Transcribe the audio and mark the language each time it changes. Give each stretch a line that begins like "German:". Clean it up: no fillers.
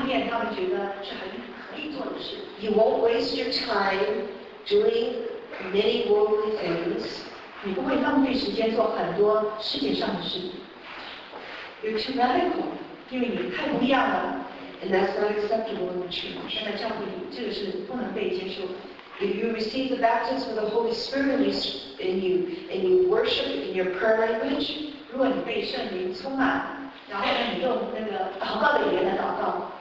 Chinese: 你就不会呢,像其他基督徒去做很多外面他们觉得是很可以做的事。
English: You won't waste your time doing many worldly things.
Chinese: 你不会浪费时间做很多世界上的事。
English: You're too radical.
Chinese: 因为你太不一样了。
English: And that's not acceptable in the church.
Chinese: 现在教会里这个是不能被接受的。
English: If you receive the baptism of the Holy Spirit and you worship in your prayer language,
Chinese: 如果你被圣灵充满，然后你用那个祷告的语言来祷告。